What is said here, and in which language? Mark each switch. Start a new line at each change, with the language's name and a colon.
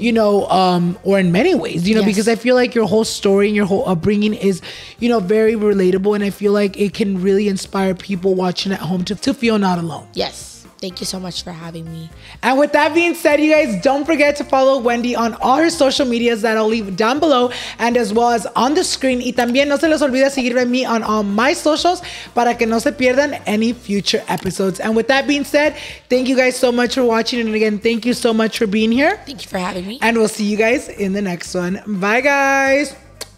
English: you know, or in many ways, you know, yes. because I feel like your whole story and your whole upbringing is, you know, very relatable. And I feel like it can really inspire people watching at home to feel not alone. Yes. Thank you so much for having me. And with that being said, you guys, don't forget to follow Wendy on all her social medias that I'll leave down below and as well as on the screen.
Spanish: Y también no se les olvide seguirme me
English: on all my socials
Spanish: para que no se pierdan
English: any future episodes. And with that being said, thank you guys so much for watching. And again, thank you so much for being here. Thank you for having me. And we'll see you guys in the next one. Bye, guys.